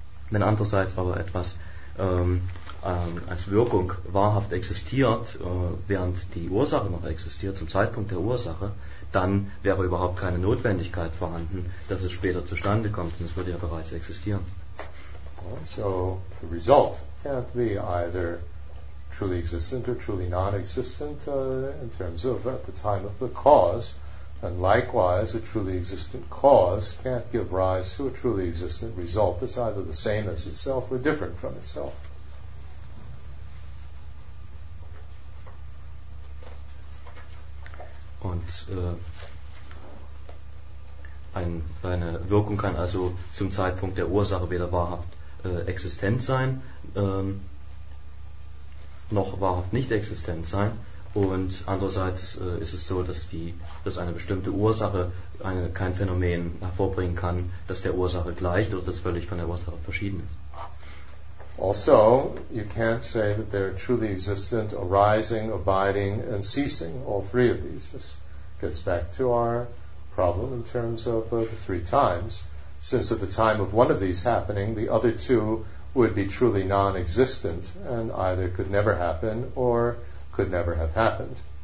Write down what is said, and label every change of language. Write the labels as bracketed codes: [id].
[de] Wenn andererseits aber etwas als Wirkung wahrhaft existiert, während die Ursache noch existiert, zum Zeitpunkt der Ursache, dann wäre überhaupt keine Notwendigkeit vorhanden, dass es später zustande kommt, denn es würde ja bereits existieren. [en] So, the result can't be either truly existent or truly non-existent in terms of at the time of the cause, and likewise a truly existent cause can't give rise to a truly existent result that's either the same as itself or different from itself. [de] Und eine Wirkung kann also zum Zeitpunkt der Ursache weder wahrhaft existent sein, noch wahrhaft nicht existent sein. Und andererseits ist es so, dass eine bestimmte Ursache kein Phänomen hervorbringen kann, das der Ursache gleicht oder das völlig von der Ursache verschieden ist. [en] Also, you can't say that they're truly existent, arising, abiding and ceasing, all three of these. This gets back to our problem in terms of the three times. Since at the time of one of these happening, the other two would be truly non-existent and either could never happen or could never have happened.